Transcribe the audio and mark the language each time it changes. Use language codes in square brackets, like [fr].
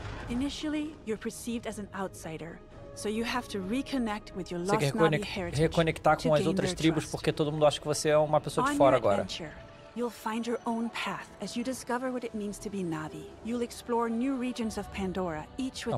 [en] Initially, you're perceived as an outsider. So you have to reconnect with your lost Navi heritage. [pt] Você quer reconectar com as outras tribos porque todo mundo acha que você é uma pessoa de fora agora. [en] You'll find your own path as you discover what it means to be Navi. You'll explore new regions of Pandora, each with their own